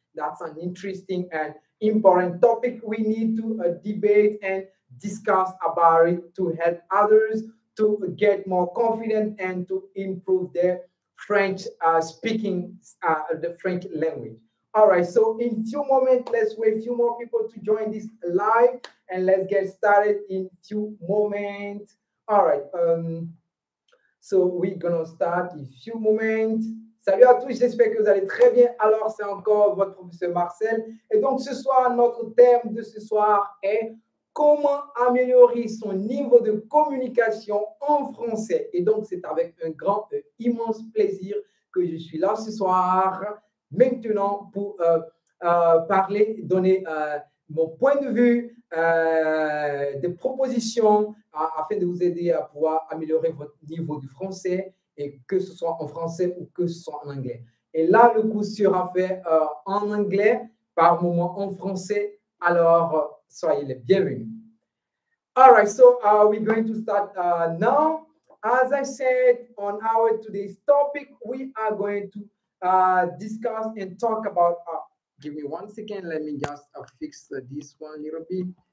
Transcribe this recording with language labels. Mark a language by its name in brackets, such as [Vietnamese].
[English] That's an interesting and important topic. We need to debate and discuss about it to help others to get more confident and to improve their French speaking, the French language. All right, so in few moments, let's wait a few more people to join this live and let's get started in few moments. All right, so we're gonna start in few moments. [French] Salut à tous, j'espère que vous allez très bien. Alors, c'est encore votre professeur Marcel. Et donc, ce soir, notre thème de ce soir est comment améliorer son niveau de communication en français. Et donc, c'est avec un grand, immense plaisir que je suis là ce soir, maintenant, pour parler, donner mon point de vue, des propositions afin de vous aider à pouvoir améliorer votre niveau de français, et que ce soit en français ou que ce soit en anglais. Et là, le cours sera fait en anglais, par moment en français. Alors, soyez les bienvenus. [English] All right, so we're going to start now. As I said, on our today's topic, we are going to discuss and talk about, give me 1 second, let me just fix this one a little bit.